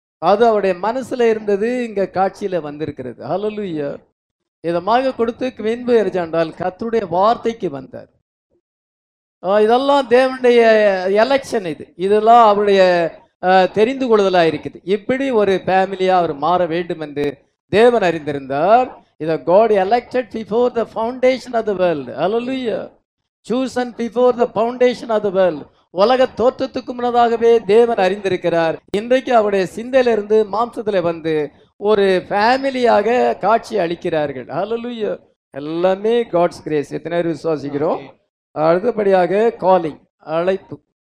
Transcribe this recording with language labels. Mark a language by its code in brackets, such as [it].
[ta] அது அவருடைய மனசுல இருந்தது இங்கே காட்சியில் வந்திருக்கிறது. ஹல்லேலூயா. இதமாக கொடுத்து மின்பு எரிஞ்சான்றால் கர்த்தருடைய வார்த்தைக்கு வந்தார். இதெல்லாம் தேவனுடைய எலெக்ஷன். இதெல்லாம் அவருடைய தெரிந்து கொள்ளுதலாக இருக்குது. இப்படி ஒரு ஃபேமிலியாக அவர் மாற வேண்டும் என்று தேவன் அறிந்திருந்தார். [en] இதை God elected before the foundation of the world. Hallelujah. Chosen before the foundation of the world. [ta] உலக தோற்றத்துக்கு முன்னதாகவே தேவன் அறிந்திருக்கிறார். இன்றைக்கு அவருடைய சிந்தையிலிருந்து மாம்சத்தில் வந்து ஒரு ஃபேமிலியாக காட்சி அளிக்கிறார்கள். Hallelujah. எல்லாமே [en] God's grace. [ta] எத்தனை பேர் விசுவாசிக்கிறோம்? அடுத்தபடியாக காலிங், அழைப்பு.